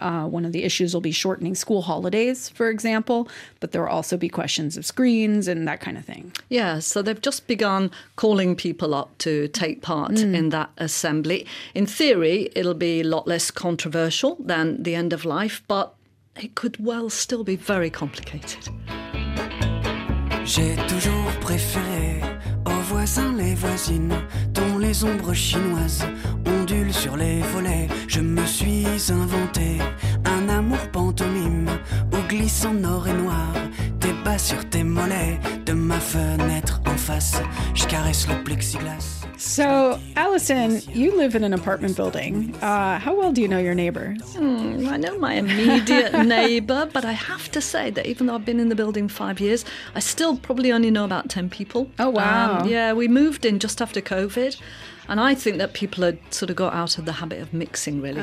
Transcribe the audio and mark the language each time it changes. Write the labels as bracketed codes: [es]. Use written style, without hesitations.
[en] One of the issues will be shortening school holidays, for example, but there will also be questions of screens and that kind of thing. Yeah, so they've just begun calling people up to take part in that assembly. In theory, it'll be a lot less controversial than the end of life, but it could well still be very complicated. [fr] J'ai toujours préféré aux voisins les voisines dont les ombres chinoises ondulent sur les volets. Je me suis inventé un amour pantomime où glissent en or et noir tes bas sur tes mollets. De ma fenêtre en face, je caresse le plexiglas. [en] So, Allison, you live in an apartment building. How well do you know your neighbor? I know my immediate neighbor, but I have to say that even though I've been in the building 5 years, I still probably only know about 10 people. Oh, wow. Yeah, we moved in just after COVID, and I think that people had sort of got out of the habit of mixing, really.